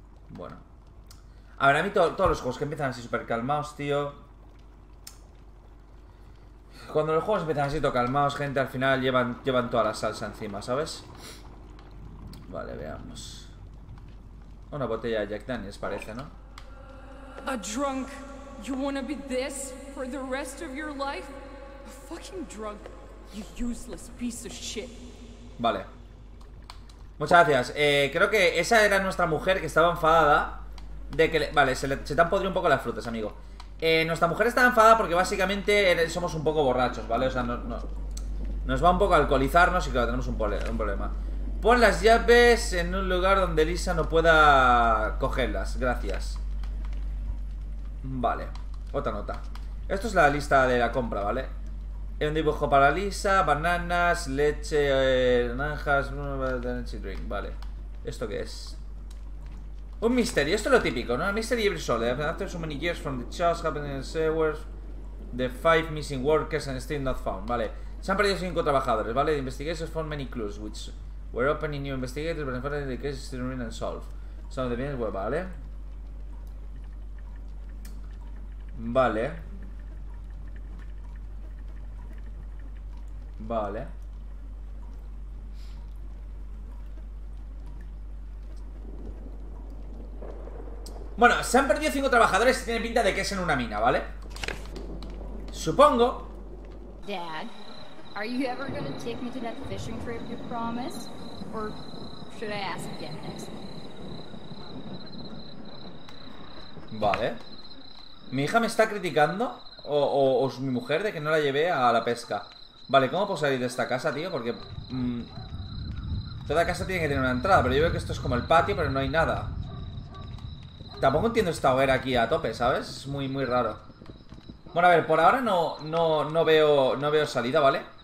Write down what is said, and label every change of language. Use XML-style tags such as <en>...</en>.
<es>Bueno. A ver, a mí todos los juegos que empiezan así súper calmados, tío. Cuando los juegos empiezan así todo calmados, gente, al final llevan toda la salsa encima, ¿sabes? Vale, veamos. Una botella de Jack Daniels, parece, ¿no?</es> <en>A drunk. You wanna be this for the rest of your life? A fucking drunk, you useless piece of shit.</en> <es>Vale. Muchas gracias. Creo que esa era nuestra mujer que estaba enfadada de que... Vale, se te han podrido un poco las frutas, amigo. Nuestra mujer estaba enfadada porque básicamente somos un poco borrachos, ¿vale? O sea, no, no, nos va un poco a alcoholizarnos y claro, tenemos un problema. Pon las llaves en un lugar donde Lisa no pueda cogerlas. Gracias. Vale, otra nota. Esto es la lista de la compra, ¿vale? Es un dibujo para Lisa, bananas, leche, naranjas, energy drink, vale. ¿Esto qué es? Un misterio, esto es lo típico, ¿no?</es> <en>A mystery every soul. After so many years from the chaos happening in the sewers, the five missing workers and still not found, vale.</en> <es>Se han perdido 5 trabajadores, ¿vale?</es> <en>The investigators found many clues, which were opening new investigators, but unfortunately the case is still remain unsolved. Some of the bins were, ¿vale?</en> <es>Vale. Vale. Bueno, se han perdido 5 trabajadores y tiene pinta de que es en una mina, ¿vale? Supongo.</es> <en>Dad, are you ever going to take me to that fishing trip you promised? Or should I ask again next?</en> <es>Vale. ¿Mi hija me está criticando? ¿O mi mujer de que no la llevé a la pesca? Vale, ¿cómo puedo salir de esta casa, tío? Porque... toda casa tiene que tener una entrada, pero yo veo que esto es como el patio, pero no hay nada. Tampoco entiendo esta hoguera aquí a tope, ¿sabes? Es muy, muy raro. Bueno, a ver, por ahora no veo salida, ¿vale?</es>